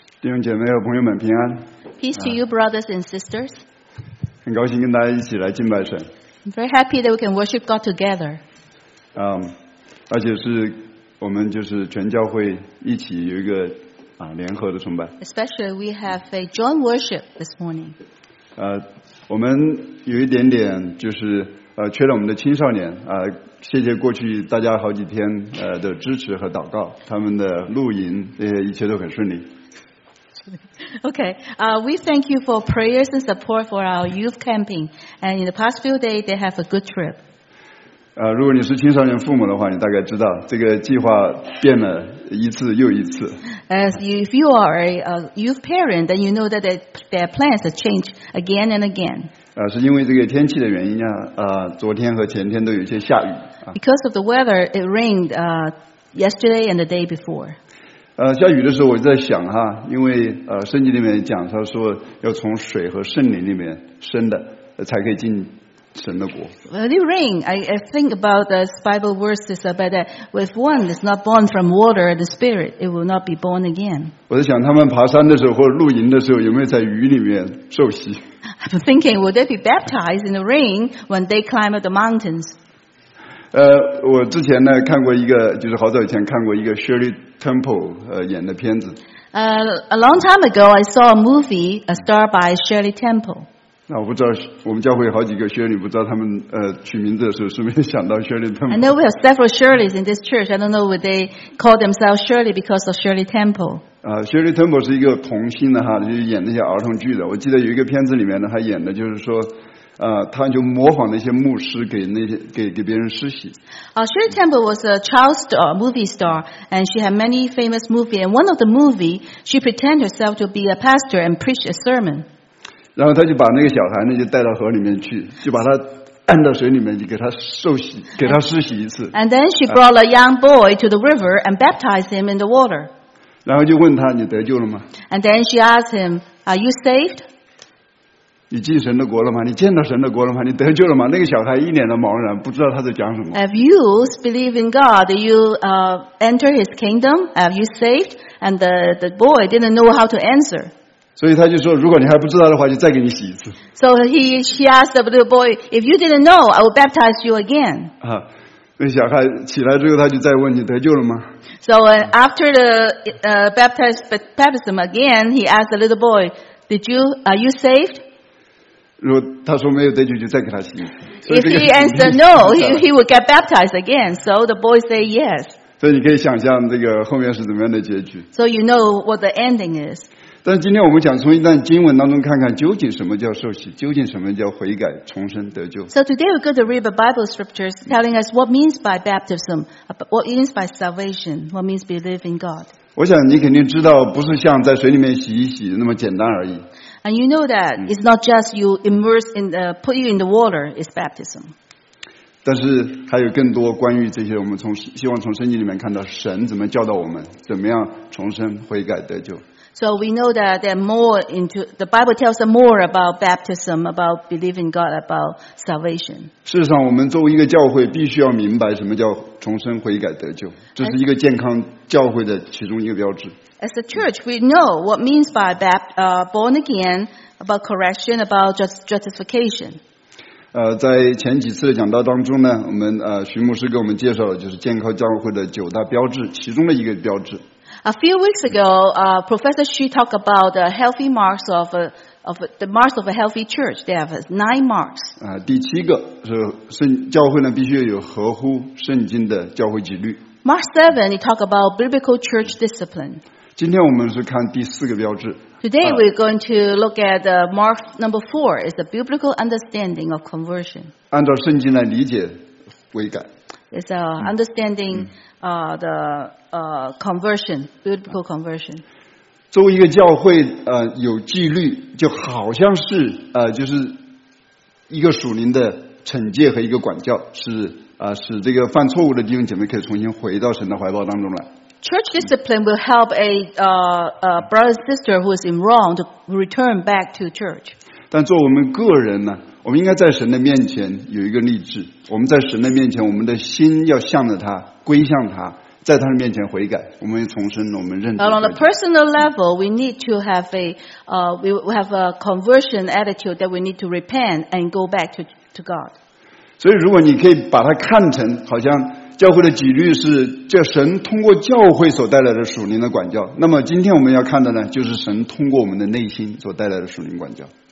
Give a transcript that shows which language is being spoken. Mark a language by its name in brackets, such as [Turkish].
[Chinese] 弟兄姐妹和朋友们平安。 [English] Peace to you, brothers and sisters. [Chinese] 很高兴跟大家一起来敬拜神。 [English] I'm very happy that we can worship God together. [Chinese] 而且是我们就是全教会一起有一个联合的崇拜。 [English] Especially we have a joint worship this morning. [Chinese] 我们有一点点就是缺了我们的青少年谢谢过去大家好几天的支持和祷告，他们的露营这些一切都很顺利。 [English] Okay, we thank you for prayers and support for our youth camping. And in the past few days, they have a good trip. [Chinese] 如果你是青少年父母的话，你大概知道这个计划变了一次又一次。 [English] As you, if you are a youth parent, then you know that their plans have changed again and again. [Chinese] 是因为这个天气的原因啊，昨天和前天都有些下雨。 [English] Because of the weather, it rained yesterday and the day before. [Chinese] 下雨的时候我就在想哈，因为圣经里面讲他说要从水和圣灵里面生的才可以进神的国。 [English] When it rains, I think about the Bible verses about that. If one is not born from water and the Spirit, it will not be born again. [Chinese] 我在想他们爬山的时候或露营的时候有没有在雨里面受洗。 [English] I'm thinking, would they be baptized in the rain when they climb up the mountains? [Chinese] 我之前呢看过一个，就是好早以前看过一个 Shirley Temple 演的片子。 [English] A long time ago, I saw a movie, a star by Shirley Temple. [Chinese] 那我不知道，我们教会好几个 Shirley， 不知道他们取名字的时候是不是想到 Shirley Temple。 [English] I know we have several Shirleys in this church. I don't know would they call themselves Shirley because of Shirley Temple. [Chinese] Shirley Temple 是一个童星的哈，就是演那些儿童剧的。我记得有一个片子里面呢，他演的就是说。他就模仿那些牧师给别人施洗。 [English] Shirley Temple was a child star, movie star, and she had many famous movies. And one of the movies, she pretended herself to be a pastor and preach a sermon. [Chinese] 然后他就把那个小孩呢就带到河里面去，就把他按到水里面，就给他受洗，给他施洗一次。 [English] And then she brought a young boy to the river and baptized him in the water. [Chinese] 然后就问他，你得救了吗 [English] ？And then she asked him, "Are you saved?" [Chinese] 你进神的国了吗？你见到神的国了吗？你得救了吗？那个小孩一脸的茫然，不知道他在讲什么。 [English] Have you believed in God? You enter His kingdom? Have you saved? And the boy didn't know how to answer. [Chinese] 所以他就说，如果你还不知道的话，就再给你洗一次。 [English] So he asked the little boy, "If you didn't know, I will baptize you again." [Chinese] 那小孩起来之后，他就再问你得救了吗 [English] ？So after the baptism again, he asked the little boy, "Did you are you saved?" [Chinese] 如果他说没有得救，就再给他洗。 [English] If he answered no, he would get baptized again. So the boy say yes. [Chinese] 所以你可以想象这个后面是怎么样的结局。 [English] So you know what the ending is. [Chinese] 但今天我们想从一段经文当中看看究竟什么叫受洗，究竟什么叫悔改重生得救。 [English] So today we're going to read the Bible scriptures telling us what means by baptism, what means by salvation, what means believe in God. [Chinese] 我想你肯定知道，不是像在水里面洗一洗那么简单而已。 [English] And you know that it's not just you immerse in the, put you in the water, it's baptism. [Chinese] 但是还有更多关于这些，我们从希望从圣经里面看到神怎么教导我们，怎么样重生悔改得救。 [English] So we know that there are more into, the Bible tells us more about baptism, about believing God, about salvation. [Chinese] 事实上我们作为一个教会必须要明白什么叫重生悔改得救，这是一个健康教会的其中一个标志。 [English] As a church, we know what means by born again, about correction, about justification. [Chinese] 在前几次的讲道当中呢，我们徐牧师给我们介绍了就是健康教会的九大标志，其中的一个标志。 [English] A few weeks ago, Professor Xu talked about the healthy marks of the marks of a healthy church. They have 9 marks. [Chinese] 第七个是教会呢必须有合乎圣经的教会纪律。 [English] Mark 7, he talked about biblical church discipline. [Chinese] 今天我们是看第四个标志。 [English] Today we're going to look at Mark number 4, is the biblical understanding of conversion. [Chinese] 按照圣经来理解悔改。 [English] It's understanding conversion, biblical conversion. [Chinese] 作为一个教会有纪律，就好像是就是一个属灵的惩戒和一个管教，是使这个犯错误的弟兄姐妹可以重新回到神的怀抱当中来。 [English] Church discipline will help a brother or sister who is in wrong to return back to church. [Chinese] 但作为我们个人呢，我们应该在神的面前有一个立志。我们在神的面前，我们的心要向着他，归向他，在他的面前悔改，我们重生，我们认罪。 [English] But on a personal level, we need to have a conversion attitude that we need to repent and go back to God. [Chinese] 所以，如果你可以把它看成好像教会的纪律是叫神通过教会所带来的属灵的管教，那么今天我们要看的呢，就是神通过我们的内心所带来的属灵管教。